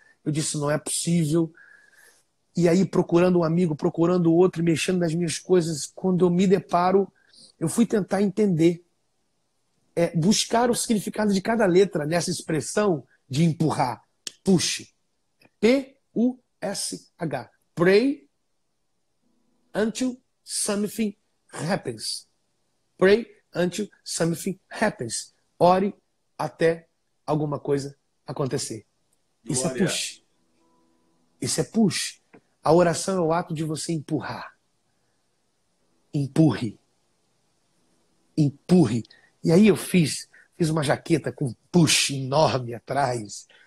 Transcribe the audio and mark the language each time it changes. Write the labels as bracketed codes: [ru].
[pt] Eu disse, não é possível. E aí, procurando um amigo, procurando outro, mexendo nas minhas coisas, quando eu me deparo, eu fui tentar entender, buscar o significado de cada letra nessa expressão de empurrar. [en] Push. P-U-S-H. Pray until something happens. Pray until something happens. [pt] Ore até alguma coisa acontecer. Isso é push. Isso é push. A oração é o ato de você empurrar. Empurre. Empurre. E aí eu fiz uma jaqueta com push enorme atrás.